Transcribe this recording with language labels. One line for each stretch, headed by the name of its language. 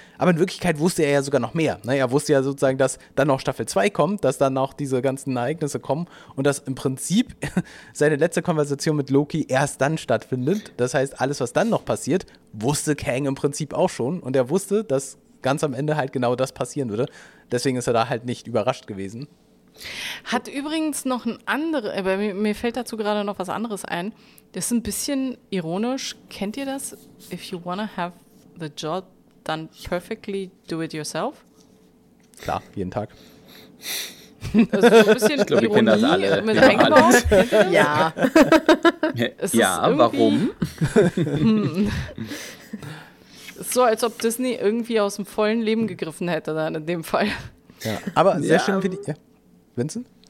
German: Aber in Wirklichkeit wusste er ja sogar noch mehr. Er wusste ja sozusagen, dass dann noch Staffel 2 kommt, dass dann auch diese ganzen Ereignisse kommen und dass im Prinzip seine letzte Konversation mit Loki erst dann stattfindet. Das heißt, alles, was dann noch passiert, wusste Kang im Prinzip auch schon und er wusste, dass ganz am Ende halt genau das passieren würde. Deswegen ist er da halt nicht überrascht gewesen. Hat übrigens noch ein anderes, aber mir fällt dazu gerade noch was anderes ein. Das ist ein bisschen ironisch. Kennt ihr das?
English: If you wanna have the job done perfectly, do it yourself.
German: Klar, jeden Tag. Also so ein bisschen, ich glaube, Ironie, wir kennen das alle. Mit ja. Es ja, ist warum? So, als ob Disney irgendwie aus dem vollen Leben gegriffen hätte, dann in dem Fall. Ja, aber sehr schön finde ich. Ja. Vincent?